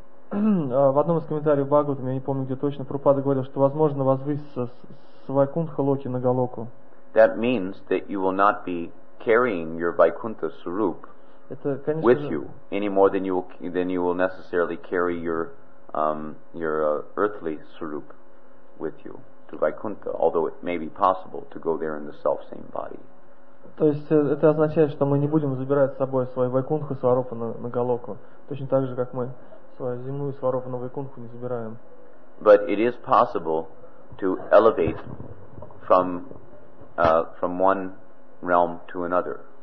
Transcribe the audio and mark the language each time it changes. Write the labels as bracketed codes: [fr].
[ru] В одном из комментариев Бхагаватам, я не помню где точно, Прабхупада говорил, что возможно возвыситься с Вайкунтха локи на Голоку. [en] That means that you will not be carrying your Vaikuntha sarup with you any more than you will necessarily carry your earthly sarup with you to Vaikuntha, although it may be possible to go there in the self same body. [ru] То есть это означает, что мы не будем забирать с собой свою Вайкунтху сварупу на Голоку, точно так же, как мы свою земную сварупу на Вайкунтху не забираем. [en] But it is possible to elevate from one realm to another.